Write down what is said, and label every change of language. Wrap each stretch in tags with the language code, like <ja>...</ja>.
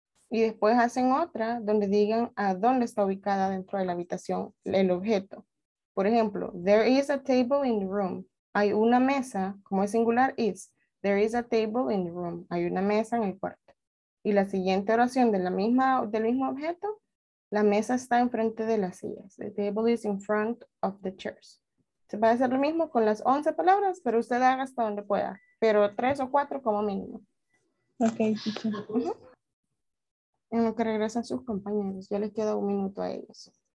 <es>Y después hacen otra donde digan a dónde está ubicada dentro de la habitación el objeto. Por ejemplo,</es> <en>there is a table in the room.</en> <es>Hay una mesa, como es singular, is.</es> <en>There is a table in the room.</en> <es>Hay una mesa en el cuarto. Y la siguiente oración de la misma, del mismo objeto, la mesa está enfrente de las sillas.</es> <en>The table is in front of the chairs.</en> <es>Se va a hacer lo mismo con las 11 palabras, pero usted haga hasta donde pueda. Pero 3 o 4 como mínimo. Ok. Uh-huh. En lo que regresan sus compañeros. Ya les queda 1 minuto a ellos.</es>